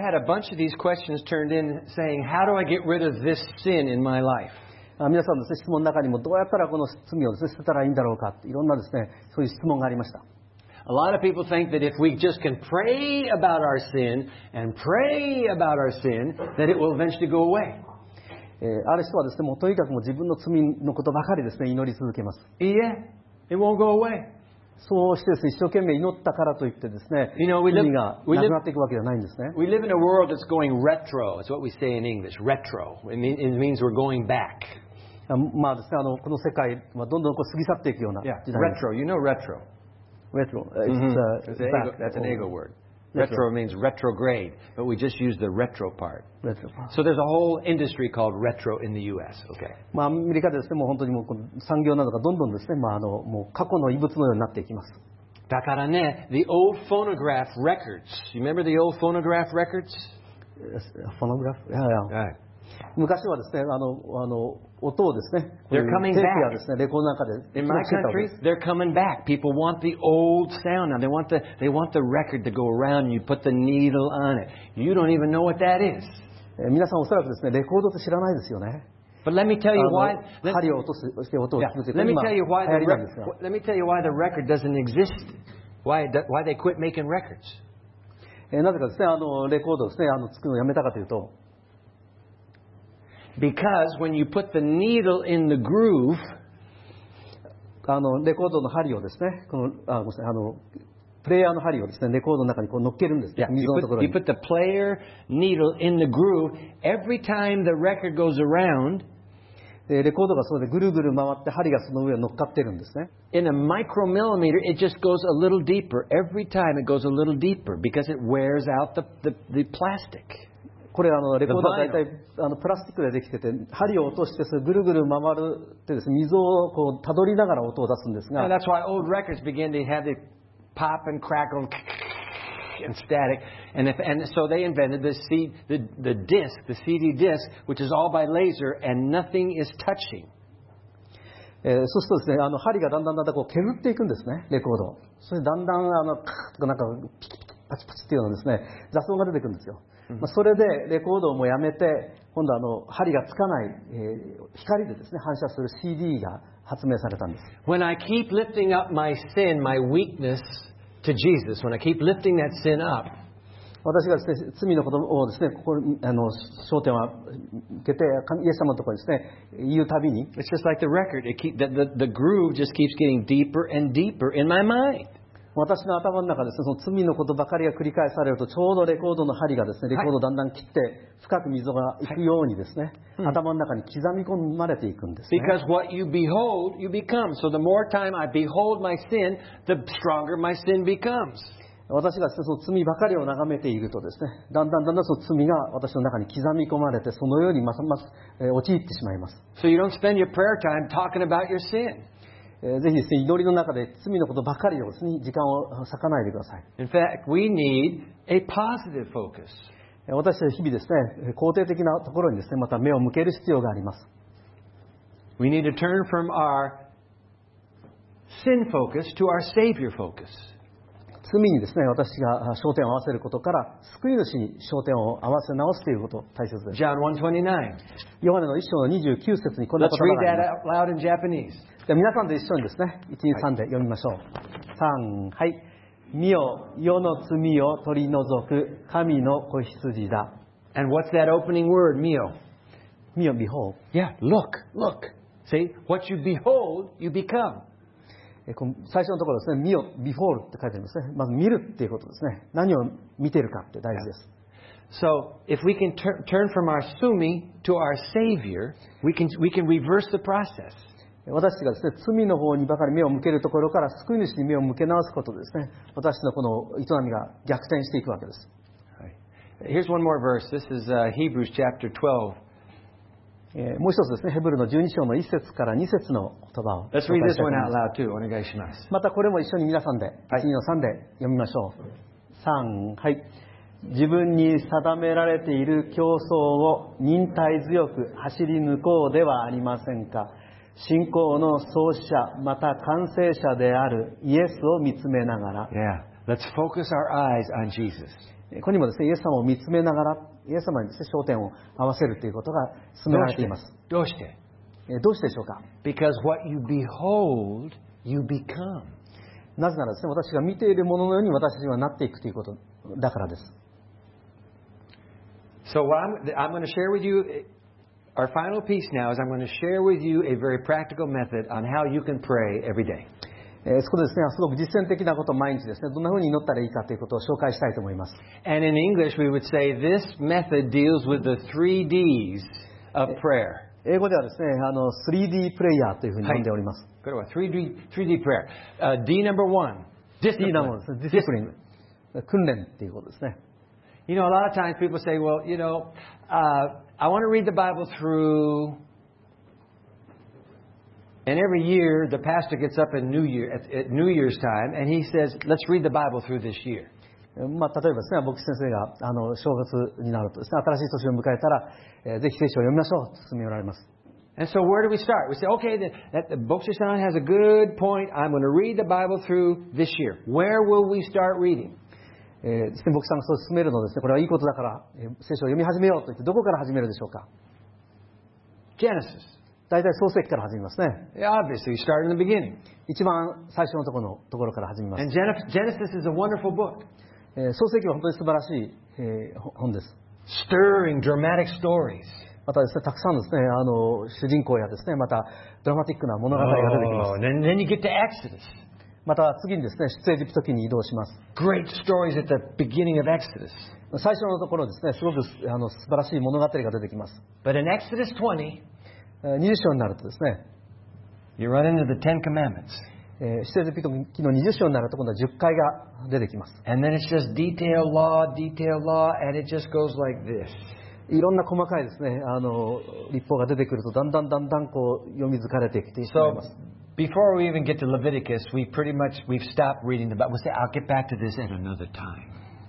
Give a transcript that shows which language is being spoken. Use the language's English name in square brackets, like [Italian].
[English] I've had a bunch of these questions turned in saying, how do I get rid of this sin in my life? [Japanese] 皆さんの質問の中にもどうやったらこの罪を捨てたらいいんだろうかっていろんなですね、そういう質問がありました。 [English] A lot of people think that if we just can pray about our sin and pray about our sin, that it will eventually go away. [Japanese] ある人はですね、もうとにかくも自分の罪のことばかりですね、祈り続けます。いいえ。 [English] It won't go away. [Japanese] そうしてですね、一生懸命祈ったからといってですね、罪がなくなっていくわけではないんですね。 [English] We live in a world that's going retro. It's what we say in English. Retro. It means we're going back. [Japanese] まあですね、この世界はどんどんこう過ぎ去っていくような時代です。 [English] Yeah. Retro. You know retro. Retro. That's an ego word. Retro means retrograde. But we just use the retro part. Retro. So there's a whole industry called retro in the U.S. Okay. [Japanese] まあアメリカでですね、もう本当にもう産業などがどんどんですね、まあもう過去の遺物のようになっていきます。だからね、 [English] the old phonograph records. You remember the old phonograph records? Phonograph? Yeah, yeah. Right. [Japanese] 昔はですね、音をですね、 [English] they're coming back. [Japanese] レコードなんかで。 [English] In my country, they're coming back. People want the old sound. Now they want the record to go around and you put the needle on it. You don't even know what that is. [Japanese] 皆さんおそらくですね、レコードって知らないですよね。 [English] But let me tell you why. [Japanese] 針を落とす、そして音を聞く [English] と。Let me tell you why. Let me tell you why the record doesn't exist. Why they quit making records. [Japanese] なぜかですね、レコードをですね、作るのをやめたかというと。 [English] Because when you put the needle in the groove, [Japanese] レコードの針をですね、このごめんなさい、プレイヤーの針をですね、レコードの中にこう乗っけるんです。 [English] Yeah, you put the player needle in the groove every time the record goes around. [Japanese] レコードがそれでぐるぐる回って針がその上に乗っかってるんですね。 [English] In a micromillimeter, it just goes a little deeper every time. It goes a little deeper because it wears out the plastic. [Japanese] これレコードは大体プラスチックでできてて、針を落としてそれぐるぐる回るってですね、溝をこうたどりながら音を出すんですが。 [English] And that's why old records begin to have the pop and crackle and, and static. And so they invented the CD disc, which is all by laser and nothing is touching. [Japanese] そうするとですね、針がだんだんだんだんこう煙っていくんですね、レコード。それでだんだんクッとなんかピキピキパチパチっていうのですね、雑音が出てくるんですよ。それでレコードをもうやめて、今度は針がつかない、光 で, です、ね、反射する CD が発明されたんです。 [English] When I keep lifting up my sin, my weakness to Jesus, when I keep lifting that sin up, [Japanese] 私がです、ね、罪のことをです、ね、ここ焦点を向けて、イエス様のところにです、ね、言うたびに、 [English] It's just like the record, it keep, the groove just keeps getting deeper and deeper in my mind. [Japanese] 私の頭の中です、ね、その罪のことばかりが繰り返されるとちょうどレコードの針がです、ね、レコードをだんだん切って深く溝が行くようにです、ね、頭の中に刻み込まれていくんですね。 [English] Because what you behold, you become. So the more time I behold my sin, the stronger my sin becomes. [Japanese] 私がです、ね、その罪ばかりを眺めているとです、ね、だんだんだんだんその罪が私の中に刻み込まれてそのようにますます陥ってしまいます。 [English] So you don't spend your prayer time talking about your sin. [Japanese] ぜひですね、祈りの中で罪のことばかりをですね、時間を割かないでください。 [English] In fact, we need a positive focus. [Japanese] 私たちは日々ですね、肯定的なところにですね、また目を向ける必要があります。 [English] We need to turn from our sin focus to our Savior focus. [Japanese] 罪にですね、私が焦点を合わせることから救い主に焦点を合わせ直すということ大切です。 [English] John 1:29. [Japanese] ヨハネの1章の29節にこんな言葉があります [English] 。Let's read that out loud in Japanese. [Japanese] では皆さんと一緒にですね、1:3で読みましょう。3、はい。見よ、世の罪を取り除く神の子羊だ。 [English] And what's that opening word, 見よ？ [Japanese] 見よ、behold. [English] Yeah, look, look. See, what you behold, you become. [Japanese] 最初のところですね、見よ、before って書いてありますね。まず見るっていうことですね。何を見てるかって大事です。 [English] Yeah. So, if we can turn from our sumi to our savior, we can reverse the process. [Japanese] 私がですね、罪の方にばかり目を向けるところから救い主に目を向け直すことですね。私のこの営みが逆転していくわけです。 [English] Right. Here's one more verse. This is Hebrews chapter 12. [Japanese] もう一つですね、ヘブルの12章の1節から2節の言葉を紹介したいと思います。 [English] Let's read this one out loud too. [Japanese] お願いします。またこれも一緒に皆さんで、1-3で読みましょう。3、はい。自分に定められている競争を忍耐強く走り抜こうではありませんか。信仰の創始者また完成者であるイエスを見つめながら。 [English] Yeah, let's focus our eyes on Jesus. [Japanese] ここにもですね、イエス様を見つめながら、イエス様に焦点を合わせるということが進められています。どうして、どうしてでしょうか。 [English] Because what you behold, you become. [Japanese] なぜならですね、私が見ているもののように私はなっていくということだからです。 [English] So I'm going to share with you our final piece now is I'm going to share with you a very practical method on how you can pray every day. [Japanese] そこでですね、すごく実践的なことを毎日ですね、どんなふうに祈ったらいいかということを紹介したいと思います。 [English] And in English we would say this method deals with the three D's of prayer. [Japanese] 英語ではですね、3D プレイヤーというふうに呼んでおります。これは [English] 3D prayer. D number one, discipline. D number one, discipline. [Japanese] 訓練っていうことですね。 [English] You know, a lot of times people say, well, you know, I want to read the Bible through... And every year, the pastor gets up in New Year, at New Year's time, and he says, let's read the Bible through this year. [Japanese] まあ、例えばですね、牧師先生が正月になるとですね、新しい年を迎えたら、ぜひ聖書を読みましょうと勧められます。 [English] And so where do we start? We say, okay, the 牧師さん has a good point. I'm going to read the Bible through this year. Where will we start reading? [Japanese] ですね、牧師さんがそう勧めるのですね、これはいいことだから、聖書を読み始めようと言って、どこから始めるでしょうか? [English] Genesis. [Japanese] 大体創世記から始めますね。 [English] Obviously, you start in the beginning. [Japanese] 一番最初のところのところから始めます。 [English] And Genesis is a wonderful book. [Japanese] 創世記は本当に素晴らしい本です。 [English] Stirring, dramatic stories. [Japanese] またですね、たくさんですね、主人公やですね、またドラマティックな物語が出てきます。 [English] Then you get to Exodus. [Japanese] また次にですね、出エジプト記に移動します。 [English] Great stories at the beginning of Exodus. [Japanese] 最初のところですね、すごく素晴らしい物語が出てきます。 [English] But in Exodus 20, [Japanese] 20章になるとですね、 [English] You run into the Ten Commandments. [Japanese] 出エジプト記の20章になると今度は10回が出てきます。 [English] And then it's just detail law, detail law, and it just goes like this. [Japanese] いろんな細かいですね、立法が出てくるとだんだんだんだんこう読み疲れてきてしまいます。 [English] So, before we even get to Leviticus, we've stopped reading the Bible. We'll say, I'll get back to this at another time.